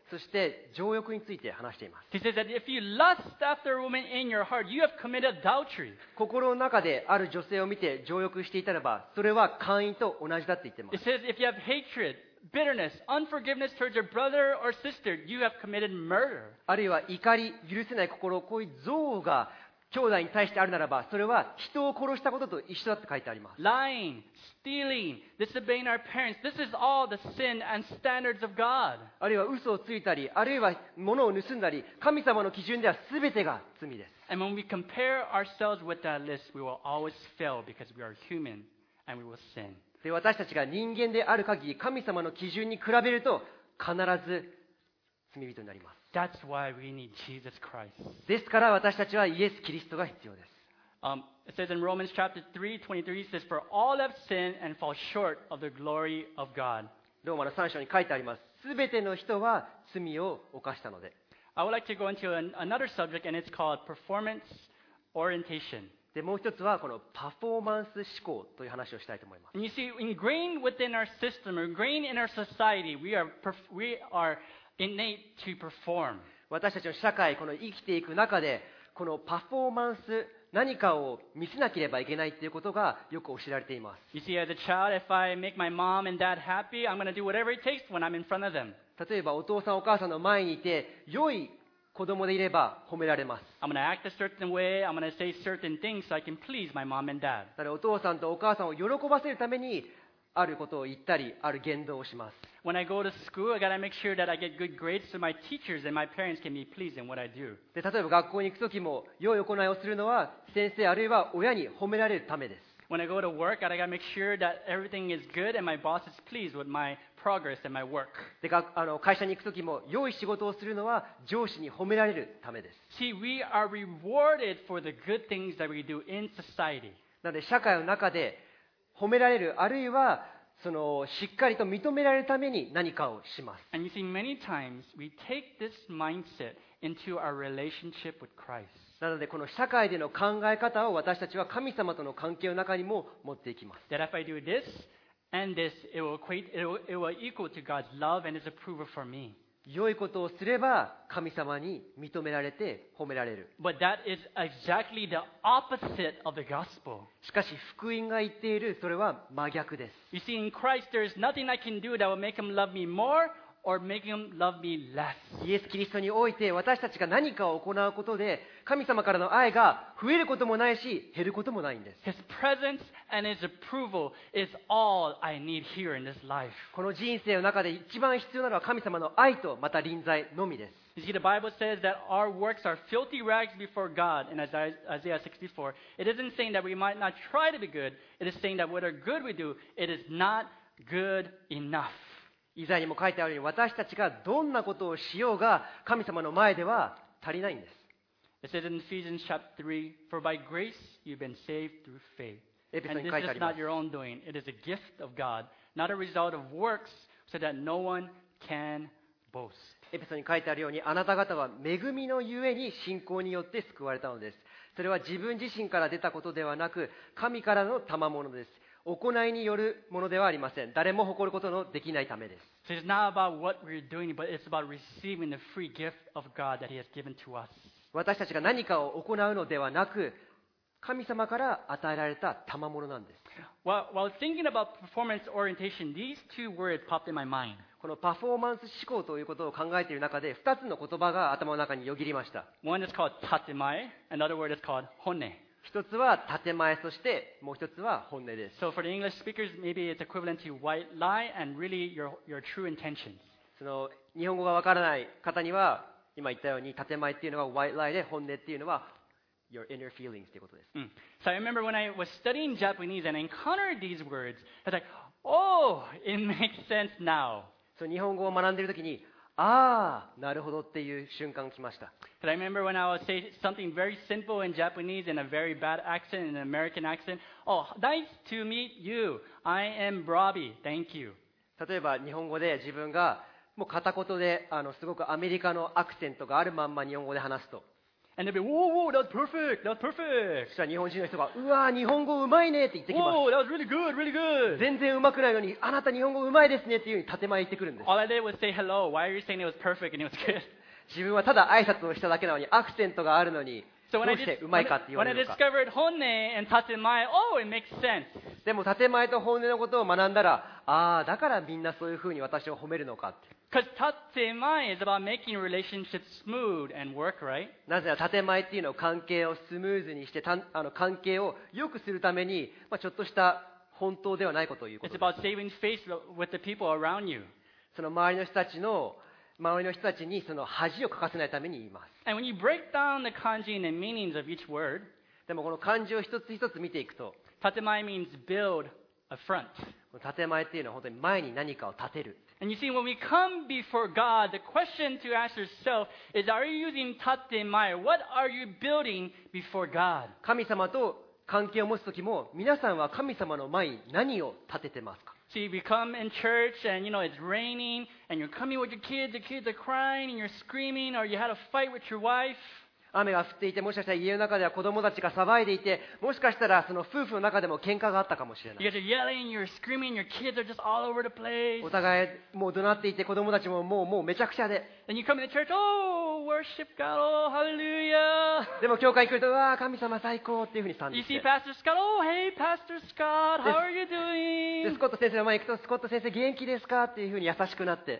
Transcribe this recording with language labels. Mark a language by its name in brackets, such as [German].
[Japanese] そして情欲について話しています。 [English] He says that if you lust after a woman in your heart, you have committed adultery. [Japanese] 心の中である女性を見て情欲していたらば、それは姦淫と同じだって言ってます。 [English] It says if you have hatred, bitterness, unforgiveness towards your brother or sister, you have committed murder. [Japanese] あるいは怒り、許せない心、こういう憎悪が兄弟に対してあるならば、それは人を殺したことと一緒だって書いてあります。 [English] Lying, stealing, disobeying our parents, this is all the sin and standards of God. [Japanese] あるいは嘘をついたり、あるいは物を盗んだり、神様の基準では全てが罪です。 [English] And when we compare ourselves with that list, we will always fail because we are human and we will sin. [Japanese] で、私たちが人間である限り、神様の基準に比べると、必ず罪人になります。 [English] That's why we need Jesus Christ. [Japanese] ですから私たちはイエス・キリストが必要です。 [English] It says in Romans chapter 3:23, it says, For all have sinned and fall short of the glory of God. [Japanese] ローマの3章に書いてあります。すべての人は罪を犯したので。 [English] I would like to go into another subject, and it's called performance orientation. [Japanese] でもう一つはこのパフォーマンス思考という話をしたいと思います。 [English] And you see, ingrained within our system, ingrained in our society, we are innate to perform. [Japanese] 私たちの社会、この生きていく中で、このパフォーマンス、何かを見せなければいけないということがよく教えられています。 [English] You see, as a child, if I make my mom and dad happy, I'm going to do whatever it takes when I'm in front of them. [Japanese] 例えばお父さんお母さんの前にいて、良い子供でいれば褒められます。 [English] I'm going to act a certain way. I'm going to say certain things so I can please my mom and dad. [Japanese] だからお父さんとお母さんを喜ばせるためにあることを言ったり、ある言動をします。 [English] When I go to school, I got to make sure that I get good grades so my teachers and my parents can be pleased in what I do. [Japanese] で、例えば学校に行くときも良い行いをするのは先生あるいは親に褒められるためです。 [English] When I go to work, I got to make sure that everything is good and my boss is pleased with my progress and my work. [Japanese] で、会社に行くときも良い仕事をするのは上司に褒められるためです。 [English] See, we are rewarded for the good things that we do in society. [Japanese] なので社会の中で褒められる、あるいはそのしっかりと認められるために何かをします。 [English] And you see, many times we take this mindset into our relationship with Christ. [Japanese] なのでこの社会での考え方を私たちは神様との関係の中にも持っていきます。 [English] That if I do this and this, it will equal to God's love and His approval for me. [Japanese] 良いことをすれば神様に認められて褒められる。 [English] But that is exactly the opposite of the gospel. [Japanese] しかし福音が言っているそれは真逆です。 [English] You see, in Christ, there is nothing I can do that will make Him love me more. Or making him love me less. [Japanese] イエス・キリストにおいて私たちが何かを行うことで神様からの愛が増えることもないし減ることもないんです。 [English] His presence and his approval is all I need here in this life. [Japanese] この人生の中で一番必要なのは神様の愛とまた臨在のみです。 [English] You see, the Bible says that our works are filthy rags before God in Isaiah 64. It isn't saying that we might not try to be good. It is saying that whatever good we do, it is not good enough. [Japanese] イザヤにも書いてあるように、私たちがどんなことをしようが、神様の前では足りないんです。 [English] It says in Ephesians chapter 3, For by grace you've been saved through faith. [Japanese] エペソに書いてあります。 [English] And this is not your own doing. It is a gift of God, not a result of works, so that no one can boast. [Japanese] エペソに書いてあるように、あなた方は恵みのゆえに信仰によって救われたのです。それは自分自身から出たことではなく、神からの賜物です。行いによるものではありません。誰も誇ることのできないためです。 [English] So it's not about what we're doing, but it's about receiving the free gift of God that He has given to us. [Japanese] 私たちが何かを行うのではなく、神様から与えられた賜物なんです。 [English] While thinking about performance orientation, these two words popped in my mind. [Japanese] このパフォーマンス思考ということを考えている中で、2つの言葉が頭の中によぎりました。 [English] One is called 建前, another word is called 本音。 [Japanese] 一つは建前、そしてもう一つは本音です。 [English] So for the English speakers, maybe it's equivalent to white lie and really your true intentions. [Japanese] その日本語がわからない方には、今言ったように建前っていうのは [English] white lie [Japanese] で、本音っていうのは [English] your inner feelings [Japanese] ということです。 Mm. [English] So I remember when I was studying Japanese and encountered these words, I was like, oh, it makes sense now. [Japanese] So 日本語を学んでいるときに、ああ、なるほどっていう瞬間来ました。 [English] I remember when I would say something very simple in Japanese in a very bad accent, in an American accent. Oh, nice to meet you. I am Robbie. Thank you. [Japanese] 例えば日本語で自分がもう片言ですごくアメリカのアクセントがあるまんま日本語で話すと。 [English] And they'd be, whoa, whoa, that was perfect, that was perfect. [Japanese] そしたら日本人の人が、うわ、日本語うまいねって言ってきます。 [English] Whoa, that was really good, really good. [Japanese] 全然うまくないのに、あなた日本語うまいですねっていうふうに建前言ってくるんです。 [English] All I did was say hello. Why are you saying it was perfect and it was good? [Japanese] 自分はただ挨拶をしただけなのに、アクセントがあるのに、どうしてうまいかって言われるのか。 [English] When I discovered 本音 and 建前、oh, it makes sense. [Japanese] でも建前と本音のことを学んだら、ああ、だからみんなそういうふうに私を褒めるのかって。 [English] Because 建前 is about making relationships smooth and work, right? [Japanese] なぜなら建前っていうのは関係をスムーズにして、関係を良くするために、まあ、ちょっとした本当ではないことを言うことです。 [English] It's about saving face with the people around you. [Japanese] その周りの人たちの、周りの人たちにその恥をかかせないために言います。 [English] And when you break down the kanji and the meanings of each word, [Japanese] でもこの漢字を一つ一つ見ていくと、 [English] 建前 means build a front. [Japanese] 建前っていうのは本当に前に何かを建てる。 [English] And you see, when we come before God, the question to ask yourself is, are you using tatemae? What are you building before God? [Japanese] 神様と関係を持つときも、皆さんは神様の前に何を建ててますか？ [English] See, if you come in church and you know it's raining and you're coming with your kids, the kids are crying and you're screaming or you had a fight with your wife. [Japanese] 雨が降っていて、もしかしたら家の中では子供たちが騒いでいて、もしかしたらその夫婦の中でも喧嘩があったかもしれない。 [English] You're yelling, you're screaming, your kids are just all over the place. [Japanese] お互いもう怒鳴っていて、子供たちももうめちゃくちゃで。 [English] And you come to church, oh, worship God, oh, hallelujah. [Japanese] でも教会に来ると、わあ、神様最高っていうふうに賛美して。 [English] You see Pastor Scott, oh, hey, Pastor Scott, how are you doing? [Japanese] でスコット先生の前に行くと、スコット先生元気ですかっていうふうに優しくなって。